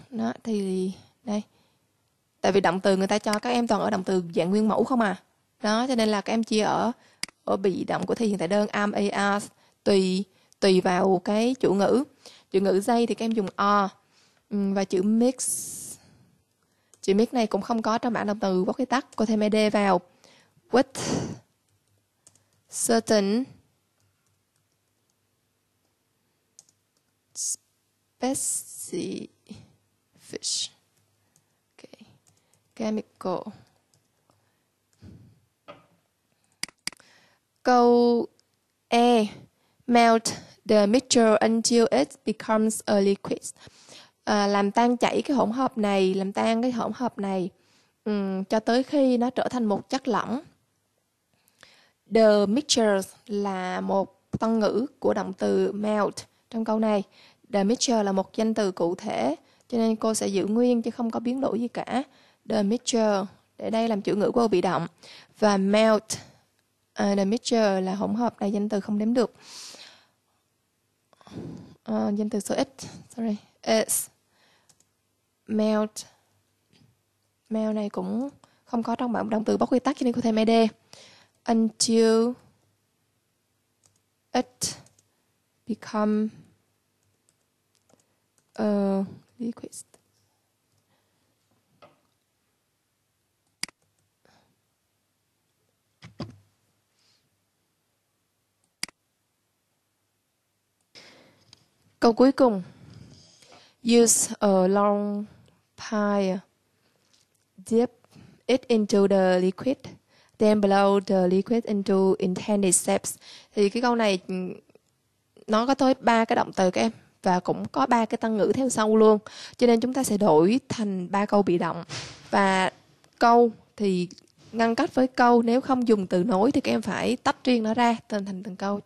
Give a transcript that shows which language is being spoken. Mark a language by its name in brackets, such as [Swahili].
[Vietnamese] Đó thì đây. Tại vì động từ người ta cho các em toàn ở động từ dạng nguyên mẫu không à. Đó cho nên là các em chia ở ở bị động của thể hiện tại đơn am, as tùy tùy vào cái chủ ngữ. Chữ ngữ dây thì các em dùng are. Và chữ mix. Chữ mix này cũng không có trong bảng động từ bất quy tắc. Cô thêm ed vào. [English] With certain specific fish. Chemical. [Vietnamese] Câu E. [English] Melt the mixture until it becomes a liquid. [Vietnamese] làm tan chảy cái hỗn hợp này, làm tan cái hỗn hợp này cho tới khi nó trở thành một chất lỏng. The mixture là một tân ngữ của động từ melt trong câu này. The mixture là một danh từ cụ thể, cho nên cô sẽ giữ nguyên chứ không có biến đổi gì cả. The mixture, để đây làm chủ ngữ của bị động. Và melt, the mixture là hỗn hợp, này danh từ không đếm được. Danh từ số x, [English] sorry, is melt. [Vietnamese] Melt này cũng không có trong bảng động từ bất quy tắc cho nên cô thêm ed. [English] Until it become a liquid. [Vietnamese] Câu cuối cùng. [English] Use a long pipe. Dip it into the liquid. Then blow the liquid into intended shapes. [Vietnamese] Thì cái câu này nó có tới ba cái động từ các em và cũng có ba cái tân ngữ theo sau luôn. Cho nên chúng ta sẽ đổi thành ba câu bị động. Và câu thì ngăn cách với câu, nếu không dùng từ nối thì các em phải tách riêng nó ra thành từng câu.